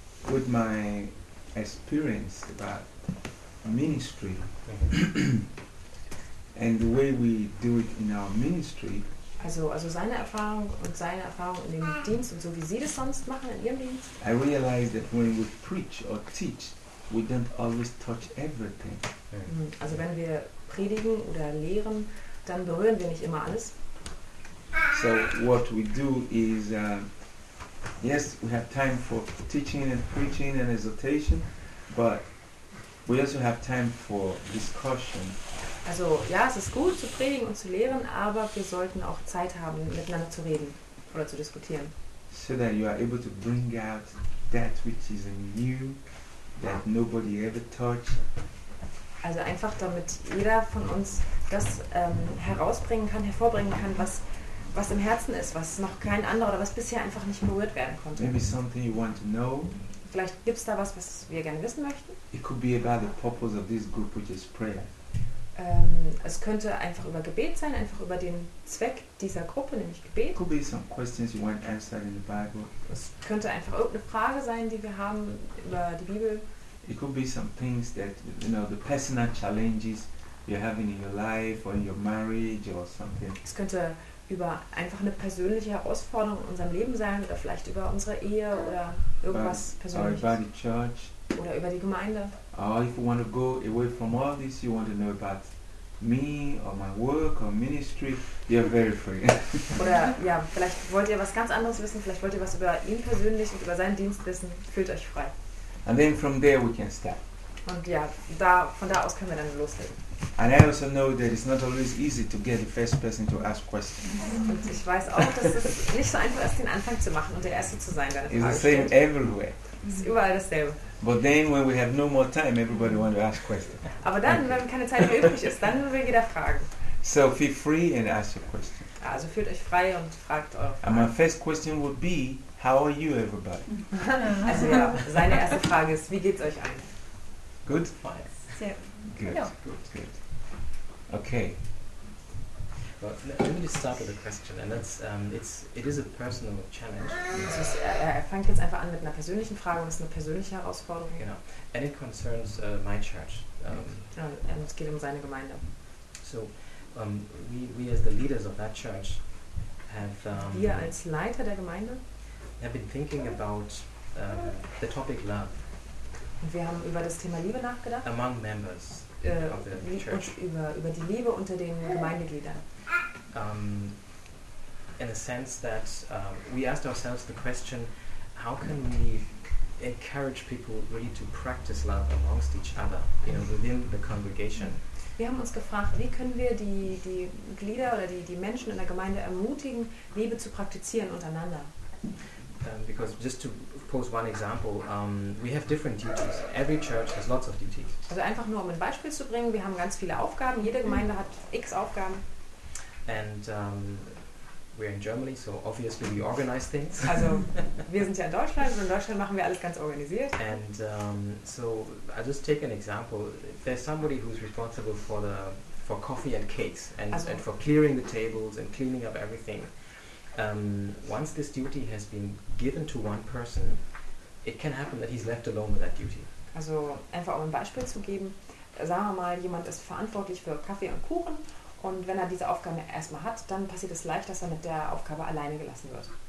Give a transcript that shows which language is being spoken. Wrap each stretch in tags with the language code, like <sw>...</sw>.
<en>With my experience about ministry and the way we do it in our ministry.</en> <de>Also seine Erfahrung und seine Erfahrung in dem Dienst und so wie Sie das sonst machen in Ihrem Dienst.</de> <en>I realize that when we preach or teach, we don't always touch everything.</en> <de>Also wenn wir predigen oder lehren, dann berühren wir nicht immer alles.</de> <en>So what we do is, yes, we have time for teaching and preaching and exhortation, but we also have time for discussion.</en> <de>Also ja, es ist gut zu predigen und zu lehren, aber wir sollten auch Zeit haben, miteinander zu reden oder zu diskutieren.</de> <en>So that you are able to bring out that which is new, that nobody ever touched.</en> <de>Also einfach, damit jeder von uns das herausbringen kann, hervorbringen kann, was im Herzen ist, was noch kein anderer oder was bisher einfach nicht berührt werden konnte.</de> <en>Maybe something you want to know.</en> <de>Vielleicht gibt es da was, was wir gerne wissen möchten.</de> <en>It could be about the purpose of this group, which is prayer.</en> <de>Es könnte einfach über Gebet sein, einfach über den Zweck dieser Gruppe, nämlich Gebet.</de> <en>Could be some questions you want answered in the Bible.</en> <de>Es könnte einfach irgendeine Frage sein, die wir haben über die Bibel.</de> <en>It could be some things that, you know, the personal challenges you're having in your life or in your marriage or something.</en> <de>Es könnte über einfach eine persönliche Herausforderung in unserem Leben sein oder vielleicht über unsere Ehe oder irgendwas Persönliches.</de> <en>Or about the church.</en> <de>Oder über die Gemeinde.</de> <en>Or if you want to go away from all this, you want to know about me or my work or ministry, you're very free.</en> <de>Oder ja, vielleicht wollt ihr was ganz anderes wissen, vielleicht wollt ihr was über ihn persönlich und über seinen Dienst wissen, fühlt euch frei.</de> <en>And then from there we can start.</en> <de>Und ja, von da aus können wir dann loslegen.</de> <en>And I also know that it's not always easy to get the first person to ask questions.</en> <de>Und ich weiß auch, dass es nicht so einfach ist, den Anfang zu machen und der Erste zu sein, der eine Frage stellt.</de> <en>It's the same everywhere.</en> <de>Es ist überall dasselbe.</de> <en>But then when we have no more time, everybody wants to ask questions.</en> <de>Aber dann, okay. Wenn keine Zeit mehr übrig ist, dann will jeder fragen.</de> <en>So feel free and ask your question.</en> <de>Also fühlt euch frei und fragt eure Fragen.</de> <en>And my first question would be, how are you, everybody?</en> <de>Also ja, seine erste Frage ist, wie geht's euch allen?</de> <en>Good?</en> <de>Sehr</de> <en>good. Good, ja. Good. Okay. Well, let me just start with a question, and that's it is a personal challenge. Yeah.</en> <de>Also, er fängt jetzt einfach an mit einer persönlichen Frage, und es ist eine persönliche Herausforderung. Genau.</de> <en>And it concerns my church.</en> <de>Und es geht um seine Gemeinde.</de> <en>So, we as the leaders of that church have.</en> <de>Wir als Leiter der Gemeinde.</de> <en>Have been thinking about the topic love.</en> <de>Und wir haben über das Thema Liebe nachgedacht.</de> <en>Among members.</en> <de>Über die Liebe unter den Gemeindegliedern.</de> <en>In the sense that we asked ourselves the question, how can we encourage people really to practice love amongst each other, you know, within the congregation?</en> <de>Wir haben uns gefragt, wie können wir die Glieder oder die Menschen in der Gemeinde ermutigen, Liebe zu praktizieren untereinander?</de> <en>Because just to pose one example, we have different duties. Every church has lots of duties.</en> <de>Also einfach nur um ein Beispiel zu bringen, wir haben ganz viele Aufgaben. Jede Gemeinde hat X Aufgaben.</de> <en>And we're in Germany, so obviously we organize things.</en> <de>Also wir sind ja in Deutschland und in Deutschland machen wir alles ganz organisiert.</de> <en>And so I'll just take an example. There's somebody who's responsible for coffee and cakes and for clearing the tables and cleaning up everything. Once this duty has been given to one person, it can happen that he's left alone with that duty.</en> <de>Also einfach um ein Beispiel zu geben, sagen wir mal, jemand ist verantwortlich für Kaffee und Kuchen und wenn er diese Aufgabe erstmal hat, dann passiert es leicht, dass er mit der Aufgabe alleine gelassen wird.</de>